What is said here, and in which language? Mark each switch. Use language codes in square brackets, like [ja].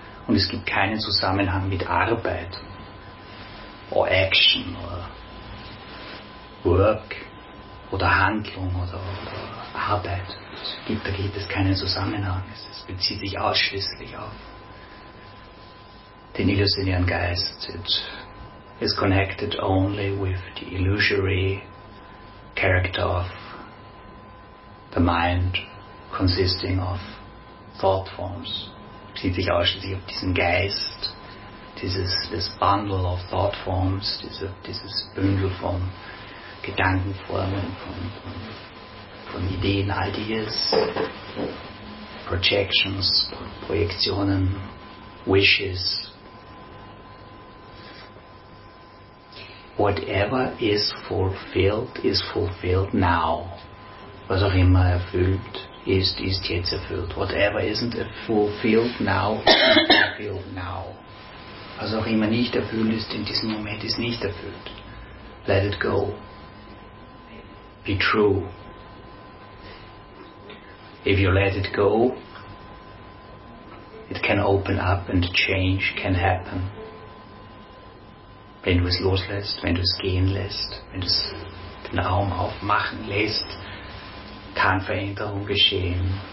[de] und es gibt keinen Zusammenhang mit Arbeit [en] or action or work [de] oder Handlung oder Arbeit. Da gibt es keinen Zusammenhang. Es bezieht sich ausschließlich auf den illusionären Geist. [en] It is connected only with the illusory character of the mind consisting of thought forms. [de] Bezieht sich ausschließlich auf diesen Geist, [en] this bundle of thought forms, [de] dieses Bündel von Gedankenformen, von Ideen, [en] Ideas, Projections, [de] Projektionen, Wishes. [en] Whatever is fulfilled now. [de] Was auch immer erfüllt ist, ist jetzt erfüllt. [en] Whatever isn't fulfilled now, is fulfilled now. [de] Was auch immer nicht erfüllt ist, in diesem Moment ist nicht erfüllt. [en] Let it go. Be true. If you let it go, it can open up and change can happen. [de] Wenn du es loslässt, wenn du es gehen lässt, wenn du es den Raum aufmachen lässt, kann Veränderung geschehen.